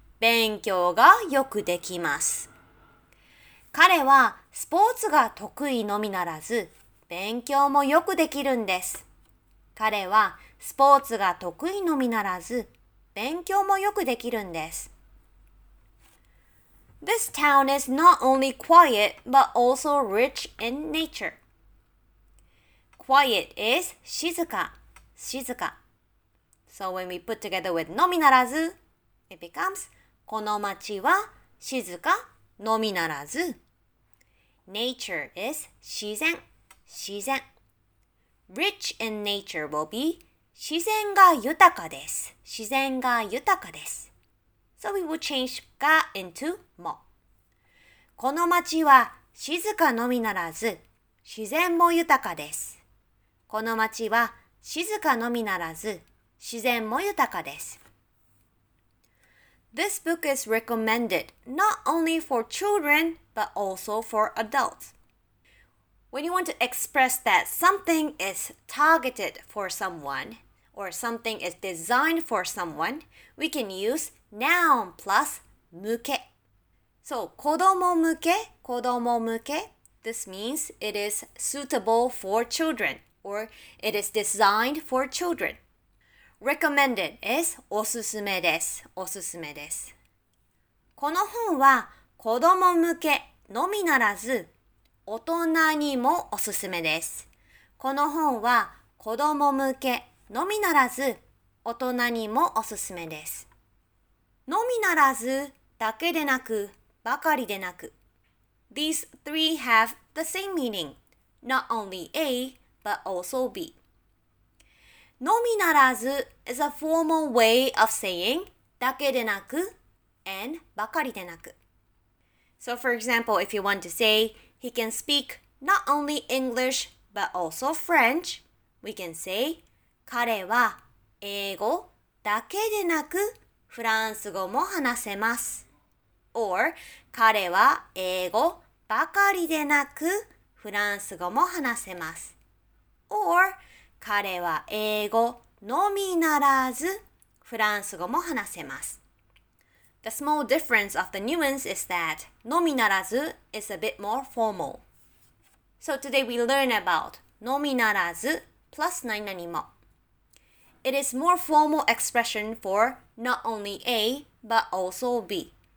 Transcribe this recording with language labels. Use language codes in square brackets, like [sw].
[ja] 勉強がよくできます。彼はスポーツが得意のみならず、勉強もよくできるんです。彼はスポーツが得意のみならず、勉強もよくできるんです。 [en] This town is not only quiet, but also rich in nature. Quiet is [ja] 静か、静か。 [en] So when we put together with のみならず、 it becomes [ja] この町は静か、のみならず。 [en] Nature is [ja] 自然、自然。 [en] Rich in nature will be [ja] 自然が豊かです、自然が豊かです。 [en] So we will change が into も。 [ja] この町は静かのみならず、自然も豊かです。この町は静かのみならず、自然も豊かです。 [en] This book is recommended not only for children, but also for adults. When you want to express that something is targeted for someone, or something is designed for someone, we can use noun plus 向け。 [ja] So, 子供向け、子供向け。 [en] This means it is suitable for children or it is designed for children. Recommended is [ja] おすすめです。おすすめです。この本は子供向けのみならず、大人にもおすすめです。この本は子供向けのみならず、大人にもおすすめです。のみならずだけでなく、ばかりでなく。 [en] These three have the same meaning, not only A, but also B. のみならず is a formal way of saying だけでなく and ばかりでなく。 So for example, if you want to say he can speak not only English, but also French, we can say [ja] 彼は英語だけでなくフランス語も話せます。 [en] Or, [ja] 彼は英語ばかりでなくフランス語も話せます。 [en] Or, [ja] 彼は英語のみならずフランス語も話せます。 [en] The small difference of the nuance is that のみならず is a bit more formal. So today we learn about のみならず plus 何々も。 It is more formal expression for not only A, but also B.